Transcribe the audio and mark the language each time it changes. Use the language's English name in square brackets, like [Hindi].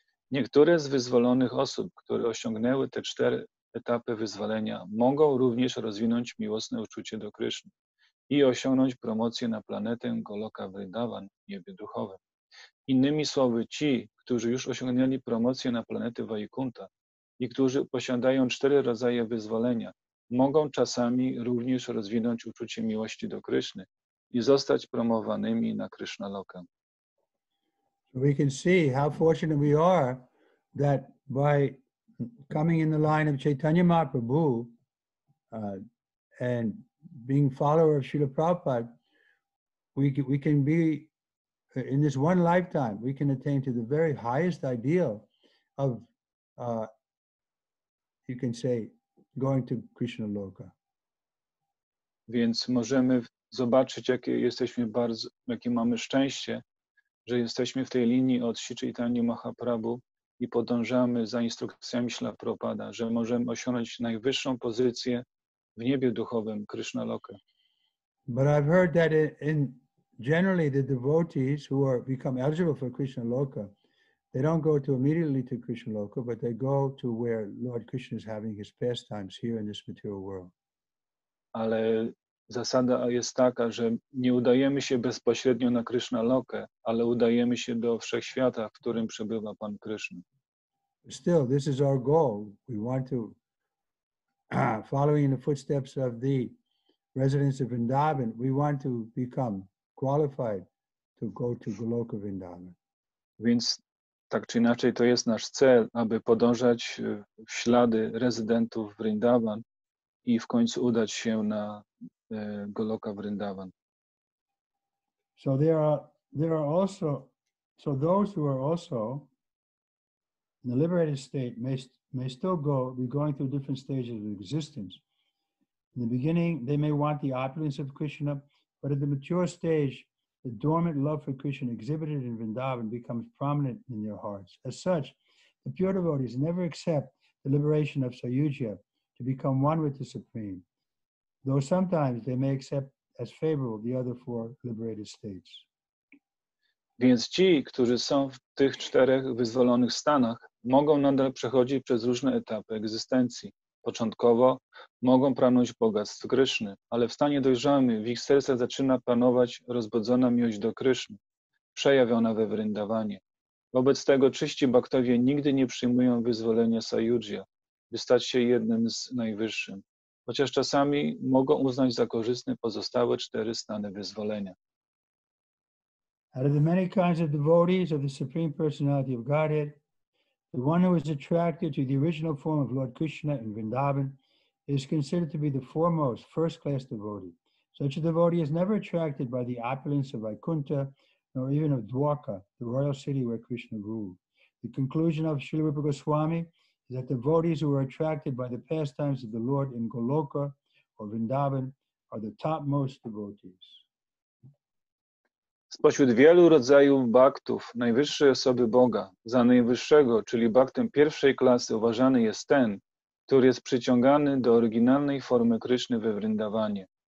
[Polish] Niektóre z wyzwolonych osób, które osiągnęły te cztery etapy wyzwolenia, mogą również rozwinąć miłosne uczucie do Kryszny i osiągnąć promocję na planetę Goloka Vrindavan w niebie duchowym. Innymi słowy, ci, którzy już osiągnęli promocję na planety Vaikuntha i którzy posiadają cztery rodzaje wyzwolenia, mogą czasami również rozwinąć uczucie miłości do Kryszny i zostać promowanymi na Krishna Loka. [English] We can see how fortunate we are that by coming in the line of Chaitanya Mahaprabhu and being follower of Srila Prabhupada, we can be in this one lifetime, we can attain to the very highest ideal of, you can say, going to Krishna Loka. [Polish] Więc możemy zobaczyć, jakie jesteśmy bardzo, jakie mamy szczęście, że jesteśmy w tej linii od Sri Chaitanya Mahaprabhu i podążamy za instrukcjami Śla Prabhupada, że możemy osiągnąć najwyższą pozycję w niebie duchowym Krishna Loka. [English] But I've heard that in generally, the devotees who are become eligible for Krishna Loka, they don't go to immediately to Krishna Loka, but they go to where Lord Krishna is having his pastimes here in this material world. [Polish] Ale zasada jest taka, że nie udajemy się bezpośrednio na Krishna Lokę, ale udajemy się do wszechświata, w którym przebywa Pan Krishna. [English] Still, this is our goal. We want to, following in the footsteps of the residents of Vrindavan, we want to become qualified to go to Goloka Vrindavan. [Polish] Więc tak czy inaczej to jest nasz cel, aby podążać w ślady rezydentów Vrindavan i w końcu udać się na Goloka Vrindavan. [English] So there are also, so those who are also in the liberated state may still go, be going through different stages of existence. In the beginning, they may want the opulence of Krishna, but at the mature stage, the dormant love for Krishna exhibited in Vrindavan becomes prominent in their hearts. As such, the pure devotees never accept the liberation of Sayujya to become one with the Supreme, though sometimes they may accept as favorable the other four liberated states. [Polish] Więc ci, którzy są w tych czterech wyzwolonych stanach, mogą nadal przechodzić przez różne etapy egzystencji. Początkowo mogą pragnąć bogactw Kryszny, ale w stanie dojrzałym w ich sercach zaczyna panować rozbudzona miłość do Kryszny, przejawiona we Vrindavanie. Wobec tego czyści bhaktowie nigdy nie przyjmują wyzwolenia Sayujya, by stać się jednym z najwyższym, chociaż czasami mogą uznać za korzystne pozostałe cztery stany wyzwolenia. [English] Out of the many kinds of devotees of the Supreme Personality of Godhead, the one who is attracted to the original form of Lord Krishna in Vrindavan is considered to be the foremost first-class devotee. Such a devotee is never attracted by the opulence of Vaikuntha, nor even of Dwarka, the royal city where Krishna ruled. The conclusion of Srila Rupa Goswami is that devotees who are attracted by the pastimes of the Lord in Goloka or Vrindavan are the topmost devotees. [Polish] Spośród wielu rodzajów baktów najwyższej osoby Boga, za najwyższego, czyli baktem pierwszej klasy, uważany jest ten, który jest przyciągany do oryginalnej formy Kryszny we Wryndawanie.